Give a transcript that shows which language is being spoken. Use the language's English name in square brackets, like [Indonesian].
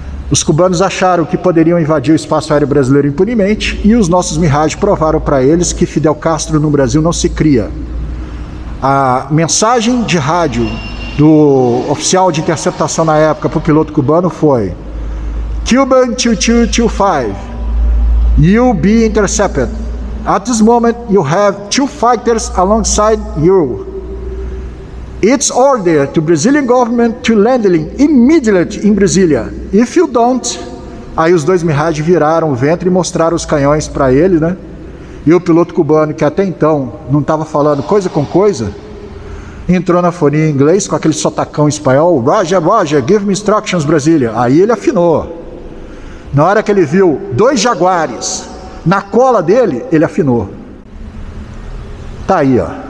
[Portuguese] Os cubanos acharam que poderiam invadir o espaço aéreo brasileiro impunemente e os nossos Mirage provaram para eles que Fidel Castro no Brasil não se cria. A mensagem de rádio do oficial de interceptação na época para o piloto cubano foi [English] Cuban 2225, you'll be intercepted. At this moment, you have two fighters alongside you. It's order to Brazilian government to landing immediately in Brasilia. If you don't... [Portuguese] Aí os dois Mirage viraram o ventre e mostraram os canhões para ele, né? E o piloto cubano, que até então não estava falando coisa com coisa, entrou na fonia em inglês com aquele sotacão espanhol, [English] Roger, Roger, give me instructions, Brasilia. [Portuguese] Aí ele afinou. Na hora que ele viu dois jaguares na cola dele, ele afinou. Tá aí, ó.